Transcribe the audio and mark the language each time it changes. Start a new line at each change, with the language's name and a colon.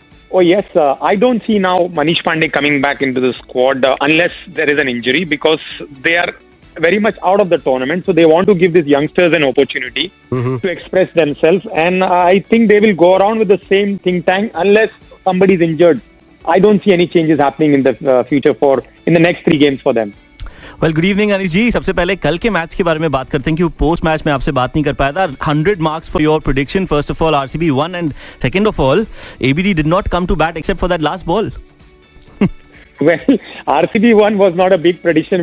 English: Oh yes, I don't see now Manish Pandey coming back into the squad unless there is an injury, because they are very much out of the tournament, so they want to give these youngsters an opportunity to express themselves, and I think they will go around with the same think tank unless somebody is injured. I don't see any changes happening in the future for in the next 3 games for them. Well, good evening, Anish ji.
Hindi: सबसे पहले कल के match के बारे में बात करते हैं कि पोस्ट मैच में आपसे बात नहीं कर पाया था.
English: 100 marks for your prediction. First of all RCB won, and second of all ABD did not come to bat except for that last ball. Well, RCB one was not a big prediction.